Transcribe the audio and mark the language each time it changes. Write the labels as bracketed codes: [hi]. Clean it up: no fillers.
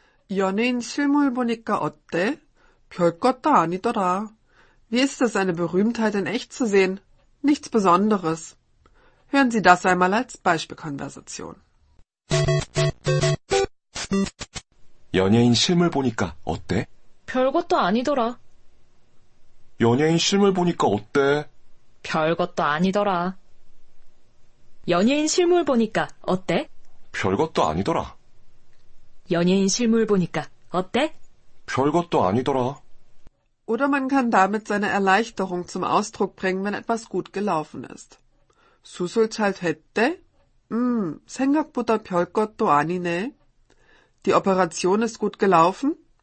[ko] 연예인 실물 보니까 어때? 별것도 아니더라. [de] Wie ist es, eine Berühmtheit in echt zu sehen? Nichts Besonderes. Hören Sie das einmal als Beispielkonversation. [ko] 연예인 실물 보니까 어때? 별것도 아니더라. 연예인 실물 보니까 어때? 별것도 아니더라. 연예인 실물 보니까 어때? 별것도 아니더라. 연예인 실물 보니까 어때? 별것도 아니더라. [de] Oder man kann damit seine Erleichterung zum Ausdruck bringen, wenn etwas gut gelaufen ist. [ko] 수술 잘 됐대? 생각보다 별것도 아니네. [de] Die Operation ist gut gelaufen?